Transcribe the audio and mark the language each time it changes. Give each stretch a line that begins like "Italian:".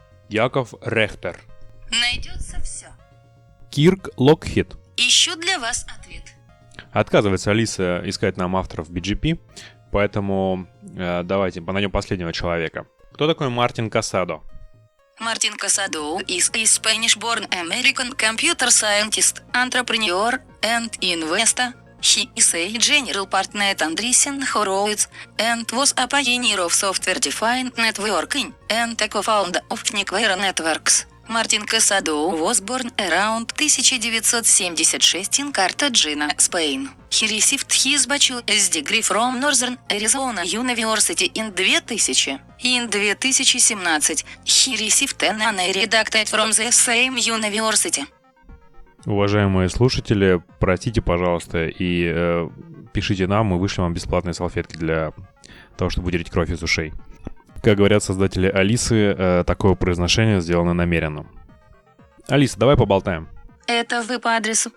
Russian: Яков Рехтер. Найдется все. Кирк Локхит. Ищу для вас ответ. Отказывается Алиса искать нам авторов BGP, поэтому давайте найдем последнего человека. Кто такой Мартин Касадо?
English: Мартин Касадо is a Spanish-born American computer scientist, entrepreneur and investor. He is a general partner Andreessen Horowitz and was a pioneer of software-defined networking and a co-founder of Nequera Networks. Мартин Касадо was born around 1976 in Cartagena, Spain. He received his bachelor's degree from Northern Arizona University in 2000. In 2017 he received an honorary doctorate from the same university.
Russian: Уважаемые слушатели, простите, пожалуйста, и пишите нам, мы вышлем вам бесплатные салфетки для того, чтобы вытереть кровь из ушей. Как говорят создатели Алисы, такое произношение сделано намеренно. Алиса, давай поболтаем. Это вы по адресу.